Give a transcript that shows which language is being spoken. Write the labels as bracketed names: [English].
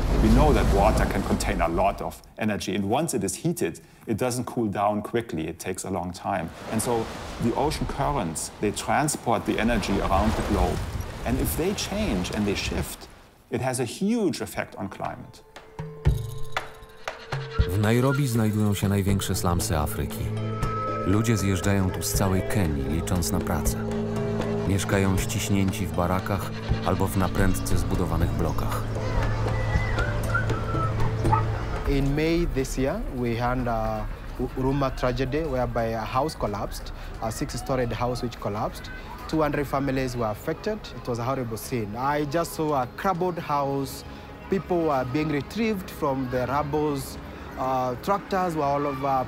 [English] We know that water can contain a lot of energy, and once it is heated, it doesn't cool down quickly, it takes a long time. And so the ocean currents, they transport the energy around the globe. And if they change and they shift, it has a huge effect on climate. [Polish] W Nairobi znajdują się największe slumsy Afryki. Ludzie zjeżdżają tu z całej Kenii, licząc na pracę. Mieszkają ściśnięci w barakach albo w naprędce zbudowanych blokach. [English] In May this year, we had a rumor tragedy whereby a house collapsed, a six-story house which collapsed. 200 families were affected. It was a horrible scene. I just saw a crumbled house. People were being retrieved from the rubbles. Tractors were all over.